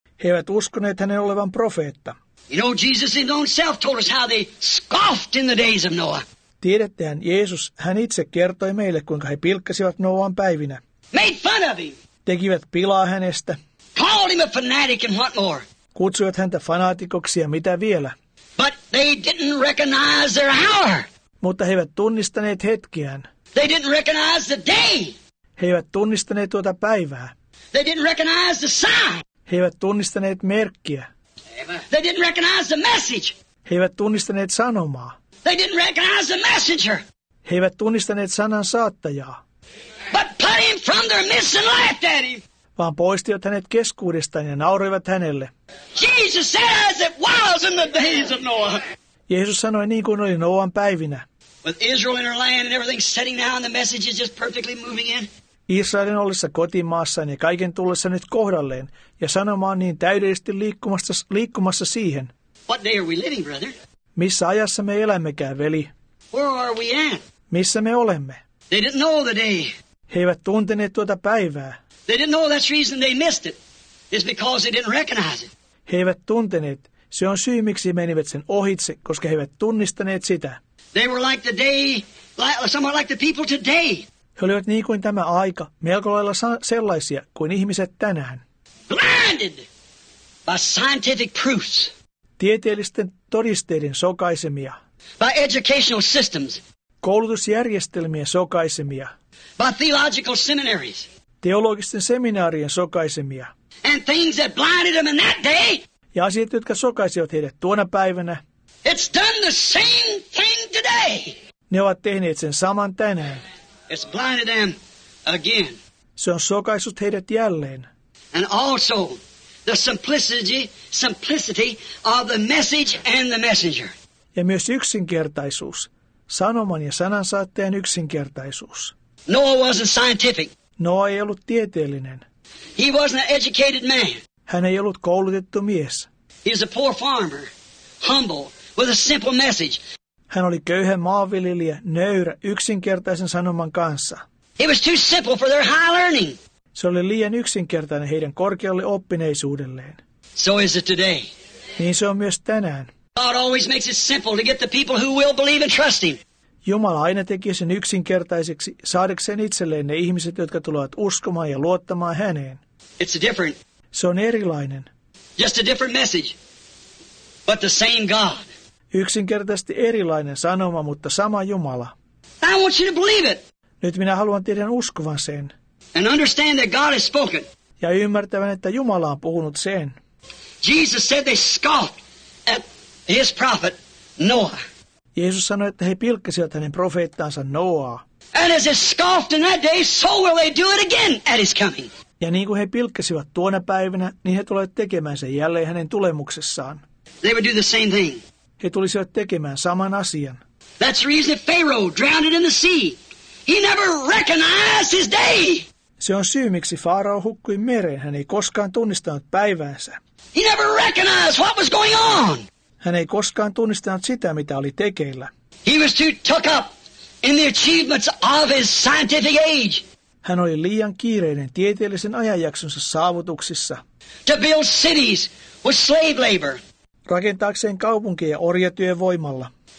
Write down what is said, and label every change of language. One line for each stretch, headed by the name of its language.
Finnish: He eivät uskoneet hänen olevan profeetta.
English: You know, Jesus in his own self told us how they scoffed in the days of Noah.
Finnish: Tiedättehän, Jeesus, hän itse kertoi meille, kuinka he pilkkasivat Noaan päivinä.
English: Made fun of him.
Finnish: Tekivät pilaa hänestä.
English: Called him a fanatic and what more.
Finnish: Kutsuivat häntä fanaatikoksi ja mitä vielä.
English: But They didn't recognize their hour.
Finnish: Mutta he eivät tunnistaneet hetkeään.
English: They didn't recognize the day.
Finnish: He eivät tunnistaneet tuota päivää.
English: They didn't recognize the sign.
Finnish: He eivät tunnistaneet merkkiä.
English: They didn't recognize the message.
Finnish: He eivät tunnistaneet sanomaa.
English: They didn't recognize the messenger.
Finnish: He eivät tunnistaneet sanan saattajaa.
English: But put him from their midst and laughed at him.
Finnish: Vaan poistivat hänet keskuudestaan ja nauroivat hänelle.
English: Jesus says it was in the days of Noah.
Finnish: Jeesus sanoi niin kuin oli Noan päivinä.
English: With Israel in her land and everything setting down and the message is just perfectly moving in.
Finnish: Israelin ollessa kotimaassaan ja kaiken tullessa nyt kohdalleen ja sanomaan niin täydellisesti liikkumassa siihen.
English: What day are we living, brother?
Finnish: Missä ajassa me elämmekään, veli?
English: Where are we at?
Finnish: Missä me olemme?
English: They didn't know the day.
Finnish: He eivät tunteneet tuota päivää.
English: They didn't know that's the reason they missed it. It's because they didn't recognize it.
Finnish: He eivät tunteneet. Se on syy, miksi menivät sen ohitse, koska he eivät tunnistaneet sitä.
English: They were like the day, somewhat like the people today.
Finnish: He olivat niin kuin tämä aika, melko lailla sellaisia kuin ihmiset tänään.
English: Blinded by scientific proofs.
Finnish: Tieteellisten todisteiden sokaisemia.
English: By educational systems.
Finnish: Koulutusjärjestelmien sokaisemia.
English: By theological seminaries.
Finnish: Teologisten seminaarien sokaisemia.
English: And things that blinded them in that day.
Finnish: Ja asiat, jotka sokaisivat heidät tuona päivänä.
English: It's done the same thing today.
Finnish: Ne ovat tehneet sen saman tänään.
English: It's blinded them again.
Finnish: Se on sokaissut heidät jälleen.
English: And also the simplicity of the message and the messenger.
Finnish: Ja myös yksinkertaisuus. Sanoman ja sanansaattajan yksinkertaisuus.
English: Noah wasn't scientific.
Finnish: Noa ei ollut tieteellinen.
English: He wasn't an educated man.
Finnish: Hän ei ollut koulutettu mies.
English: He was a poor farmer, humble, with a simple message.
Finnish: Hän oli köyhä maanviljelijä, nöyrä, yksinkertaisen sanoman kanssa.
English: It was too simple for their high learning.
Finnish: Se oli liian yksinkertainen heidän korkealle oppineisuudelleen.
English: So is it today.
Finnish: Niin se on myös tänään.
English: God always makes it simple to get the people who will believe and trust him.
Finnish: Jumala aina tekee sen yksinkertaiseksi, saadakseen itselleen ne ihmiset, jotka tulevat uskomaan ja luottamaan häneen.
English: It's a different.
Finnish: Se on erilainen.
English: Just a different message, but the same God.
Finnish: Yksinkertaisesti erilainen sanoma, mutta sama Jumala.
English: I want you to believe it.
Finnish: Nyt minä haluan teidän uskovan sen.
English: And understand that God has spoken.
Finnish: Ja ymmärtävän, että Jumala on puhunut sen.
English: Jesus said they scoffed at his prophet Noah.
Finnish: Jeesus sanoi, että he pilkkasivat hänen profeettaansa Noaa.
English: And as they scoffed in that day, so will they do it again at his coming.
Finnish: Ja niin kuin he pilkkasivat tuona päivänä, niin he tulevat tekemään sen jälleen hänen tulemuksessaan.
English: They would do the same thing.
Finnish: He tulisivat tekemään saman asian.
English: That's the reason Pharaoh drowned in the sea. He never recognized his day.
Finnish: Se on syy, miksi Farao hukkui mereen. Hän ei koskaan tunnistanut päiväänsä.
English: He never recognized what was going on.
Finnish: Hän ei koskaan tunnistanut sitä, mitä oli tekeillä.
English: He was too took up in the achievements of his scientific age.
Finnish: Hän oli liian kiireinen tieteellisen ajanjaksonsa saavutuksissa.
English: To build cities with slave labor.
Finnish: Rakentaakseen kaupunkeja orjatyövoimalla.